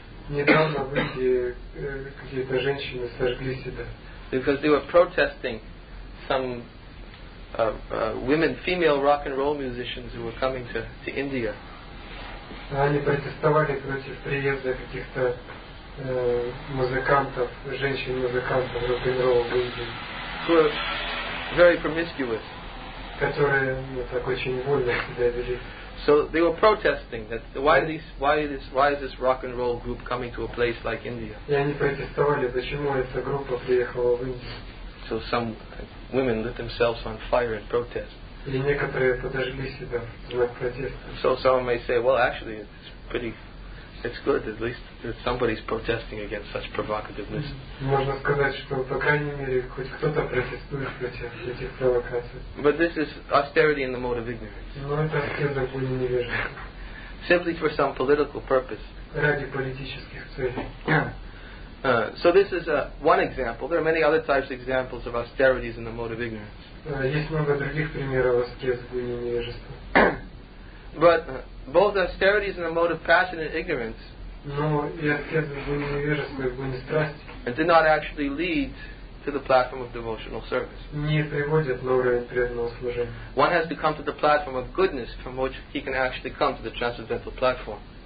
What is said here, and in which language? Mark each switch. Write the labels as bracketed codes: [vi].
[en] Because they were protesting some women, female rock and roll musicians who were coming to India. [ru] Они протестовали против приезда каких-то музыкантов, женщин-музыкантов, рок-н-ролл в Индии. [en] Who are very promiscuous. [ru] Которые, ну, так очень вольно себя вели. [en] So they were protesting that why is this rock and roll group coming to a place like India? [ru] И они протестовали, почему эта группа приехала в Индию. [en] So some women lit themselves on fire in protest. [ru] И некоторые подожгли себя в знак протеста. [en] So someone may say, well, actually, it's pretty It's good, at least that somebody's protesting against such provocativeness. [ru] Можно сказать, что по крайней мере хоть кто-то протестует против этих провокаций. [en] But this is austerity in the mode of ignorance. [ru] Но это аскеза в уме невежды. [en] Simply for some political purpose. [ru] Ради политических целей. [en] So this is one example. There are many other types of examples of austerities in the mode of ignorance. [ru] Есть много других примеров аскез в уме невежества. [en] But both austerities and the mode of passionate ignorance do not actually lead to the platform of devotional service. One has to come to the platform of goodness from which he can actually come to the transcendental platform.